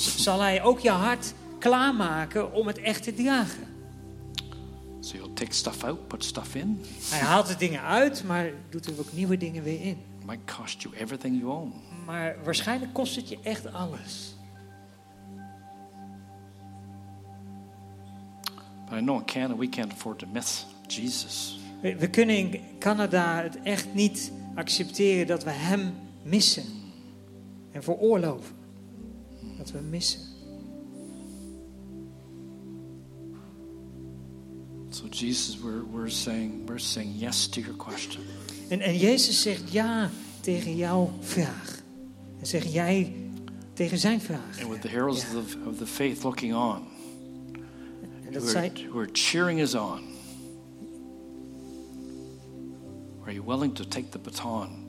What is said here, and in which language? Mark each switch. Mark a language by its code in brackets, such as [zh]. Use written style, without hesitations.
[nl] Zal hij ook je hart klaarmaken om het echt te dragen? [en] So he'll take stuff out, put stuff in. [nl] Hij haalt de dingen uit, maar doet er ook nieuwe dingen weer in. [en] Might cost you everything you own. [nl] Maar waarschijnlijk kost het je echt alles. [en] But I know in Canada we can't afford to miss Jesus. [nl] We kunnen in Canada het echt niet accepteren dat we hem missen. En veroorloven dat we hem missen. [en] So Jesus, we're saying yes to your question. [nl] En Jezus zegt ja tegen jouw vraag. En zeg jij tegen zijn vraag. [en] And with the heralds ja. Of the faith looking on. Who are cheering us on. Are you willing to take the baton?